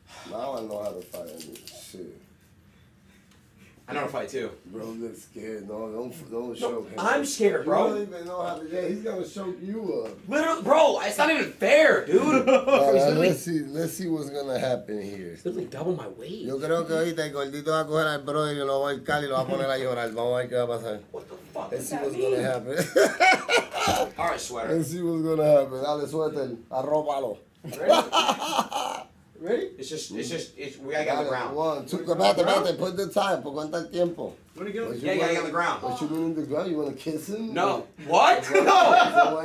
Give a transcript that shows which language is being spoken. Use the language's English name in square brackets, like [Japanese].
[English] Now I know how to fight. Shit. I know how to fight too. Bro, look scared. No, don't choke him. I'm scared, bro. You don't even know how to do that. He's gonna choke you up. Literally, bro, it's not even fair, dude. let's see what's gonna happen here. It's literally double my weight. [Spanish] Yo creo que ahorita el gordito va a coger al bro y lo va a buscar y lo va a poner a llorar. Vamos a ver qué va a pasar. [English] What the fuck? Gonna happen. All right, sweater. Let's see what's gonna happen. [Spanish] Dale, suéter. Arrópalo. [English] Ready? It's just, we gotta get on the ground. One, two, come back, put the time, for what time? Yeah, you gotta get on the ground. What you mean on the ground? You wanna kiss him? No. What? No!